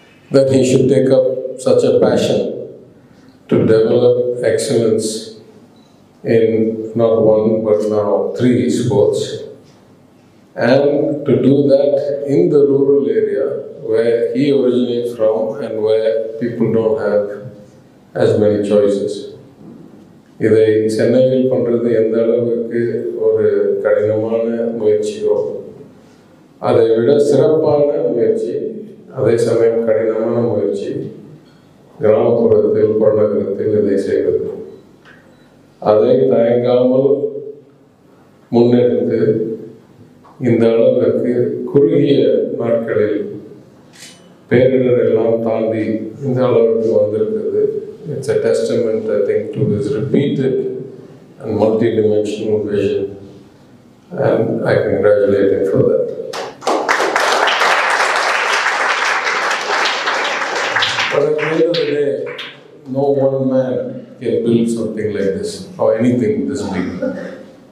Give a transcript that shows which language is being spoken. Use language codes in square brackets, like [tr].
[en] that he should take up such a passion to develop excellence in not one but now three sports, and to do that in the rural area where he originates from and where people don't have as many choices. [ta] இதை சென்னையில் பண்ணுறது எந்த அளவுக்கு ஒரு கடினமான முயற்சியோ, அதை விட சிறப்பான முயற்சி, அதே சமயம் கடினமான முயற்சி, கிராமப்புறத்தில் புறநகரத்தில் இதை செய்வது. அதை தயங்காமல் முன்னெடுத்து இந்த அளவுக்கு குறுகிய நாட்களில் பேரிடர் எல்லாம் தாண்டி இந்த அளவுக்கு வந்திருக்கிறது. [en] It's a testament, I think, to his repeated and multi-dimensional vision and I congratulate him for that. But at the end of the day, no one man can build something like this or anything this big.